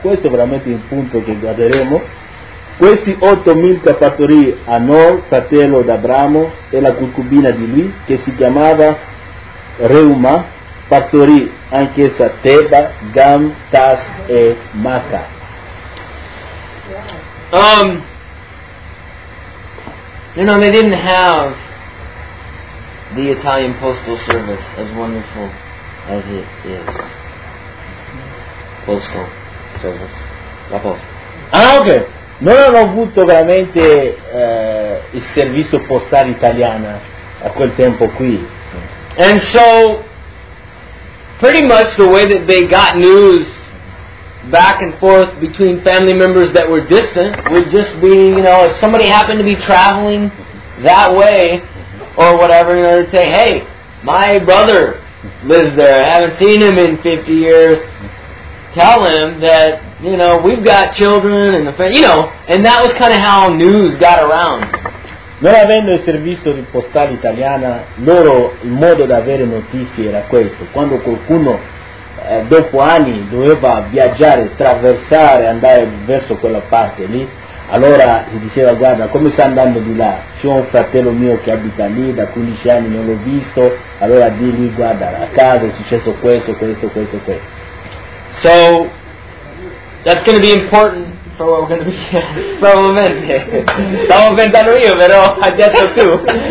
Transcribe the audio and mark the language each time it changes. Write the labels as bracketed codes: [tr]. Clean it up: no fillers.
[it] Questo è veramente il punto che guarderemo. Questi 8.000 partorì a Nor, fratello d'Abramo, e la concubina di lui, che si chiamava Reuma, partorì anch'essa Teba, Gam, Tas e Maka. [en] You know, they didn't have the Italian Postal Service as wonderful as it is. Postal Service. [it] La posta. Ah, ok. Non hanno avuto veramente il servizio postale italiano a quel tempo qui. [en] And so, pretty much the way that they got news back and forth between family members that were distant would just be, you know, if somebody happened to be traveling that way or whatever, you know, they'd say, hey, my brother lives there. I haven't seen him in 50 years. Tell him that, you know, we've got children and the family, you know, and that was kind of how news got around. [it] Non avendo il servizio di postale italiana, loro il modo di avere notizie era questo. Quando qualcuno dopo anni doveva viaggiare, traversare, andare verso quella parte lì, allora gli diceva, guarda, come sta andando di là? C'è un fratello mio che abita lì, da 15 anni non l'ho visto, allora di lì, guarda, a casa è successo questo, questo, questo, questo. [en] So, that's going to be important for what we're going to be here, probably. [it] Stavo pensando io, però ha detto tu.